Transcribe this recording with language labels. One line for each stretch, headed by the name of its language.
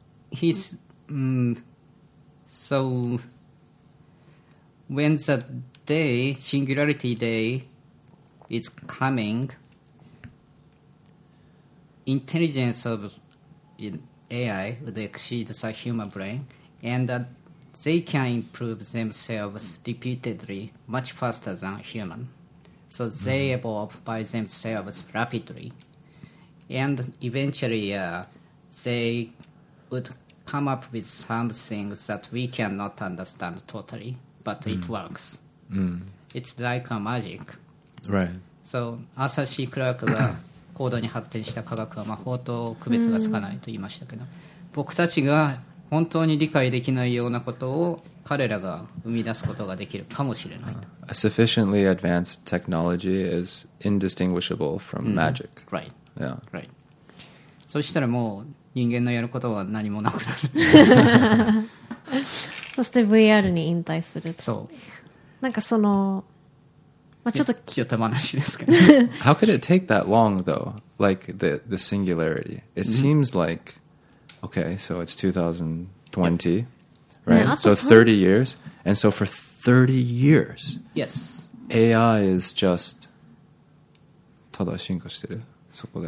English: he's so when the day, singularity day, is coming, intelligence of AI would exceed the human brain, and that they can improve themselves repeatedly much faster than human. So they evolve by themselves rapidly, and eventually they would come up with something that we cannot understand totally, but it works. It's like a magic. Right.
Japanese: So, アーサー・シー・クラークが高度に発展した科学は魔法と区別がつかないと言いましたけど、僕たちが本当に理解できないようなことを彼らが生み出すことができるかもしれない。
English: A sufficiently advanced technology is indistinguishable from magic. Right. Yeah. Right.
Japanese: そしたらもう人間のやることは何もなくなる。そして VR に引退すると。 そう。なんかその、まあ、ちょっと気を手放しですけど。
English: How could it take that long though? Like the singularity. It seems like, okay, so it's 2020. Right? So 30 years. And so for 30 years, yes. AI is just
Japanese: ただ進化してるそこで。